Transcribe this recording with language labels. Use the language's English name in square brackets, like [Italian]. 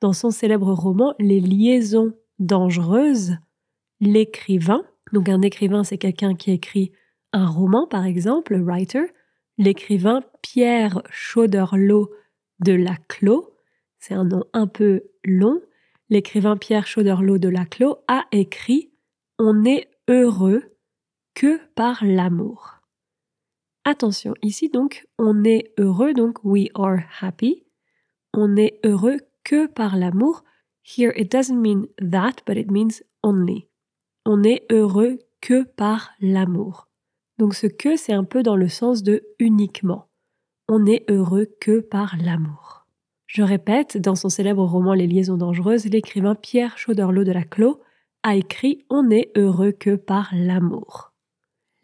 [French] Dans son célèbre roman « Les liaisons dangereuses », l'écrivain, donc un écrivain c'est quelqu'un qui écrit un roman par exemple, « writer », l'écrivain Pierre Chauderlot de Laclos, c'est un nom un peu long, l'écrivain Pierre Chauderlot de Laclos a écrit « On n'est heureux que par l'amour ». Attention, ici donc, on est heureux, donc « [English] we are happy [French] », on n'est heureux que par l'amour. [English] Here it doesn't mean that, but it means only. [French] On n'est heureux que par l'amour. Donc ce « que », c'est un peu dans le sens de « uniquement ». On n'est heureux que par l'amour. Je répète, dans son célèbre roman « Les liaisons dangereuses », l'écrivain Pierre Chauderlot de Laclos a écrit « On n'est heureux que par l'amour ».